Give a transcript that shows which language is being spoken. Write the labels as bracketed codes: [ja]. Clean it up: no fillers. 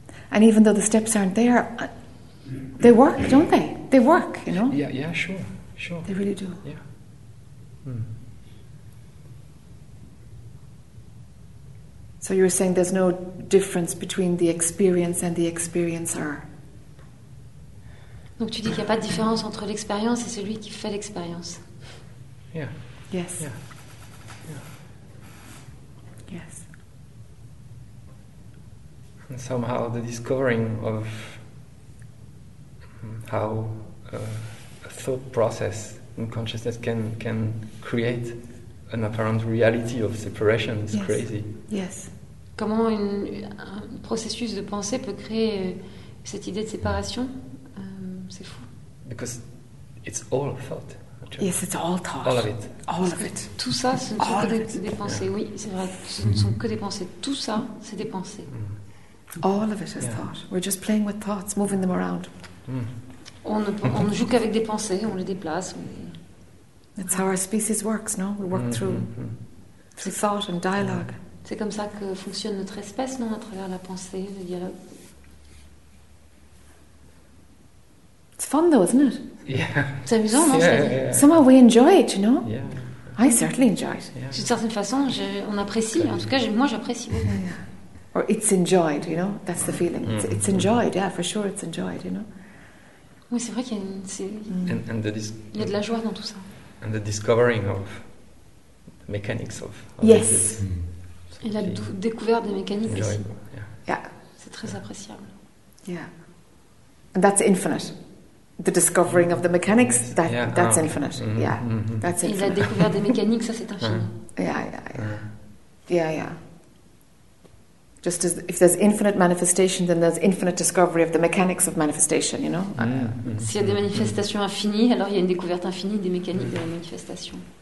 [en] And even though the steps aren't there, they work, don't they? They work, you know? Yeah, yeah, sure. They really do. Yeah. Hmm. So you're saying there's no difference between the experience and the experiencer. [fr] Donc tu dis qu'il n'y a pas de différence entre l'expérience et celui qui fait l'expérience. [en] Yeah. Yes. Yeah. Yeah. Yes. And somehow the discovering of how a thought process in consciousness can create an apparent reality of separation is, yes, crazy. Yes. [fr] Comment un processus de pensée peut créer cette idée de séparation, c'est fou. [en] Because it's all thought. Actually. Yes, it's all thought. All of it. All of it. [fr] Tout ça, ce ne sont que des pensées. Yeah. Oui, c'est vrai. Ce ne sont que des pensées. Tout ça, c'est des pensées. Mm. [en] All of it is thought. We're just playing with thoughts, moving them around. [fr] On ne joue qu'avec des pensées, on les déplace. [en] That's how our species works, no? We work through thought and dialogue. [fr] C'est comme ça que fonctionne notre espèce, non? À travers la pensée, le dialogue. [en] It's fun, though, isn't it? Yeah. [fr] C'est amusant, non? [en] Somehow we enjoy it, you know? Yeah. I certainly enjoy it. [fr] D'une certaine façon, on apprécie. En tout cas, moi, j'apprécie. [en] Or it's enjoyed, you know? That's the feeling. It's enjoyed, yeah, for sure it's enjoyed, you know? [fr] Oui, c'est vrai qu'il y a il y a de la joie dans tout ça. [en] And the discovering of the mechanics of yes. [fr] Et la découverte des mécaniques. [en] Enjoyable. [fr] C'est très appréciable. [en] Yeah. And that's infinite. The discovering of the mechanics, that's infinite. Mm-hmm. Yeah. Mm-hmm. That's infinite. [fr] Et la découverte des mécaniques, ça c'est infini. [en] Yeah. Just as if there's infinite manifestation, then there's infinite discovery of the mechanics of manifestation, you know? [fr] S'il y a des manifestations infinies, alors il y a une découverte infinie des mécaniques de la manifestation.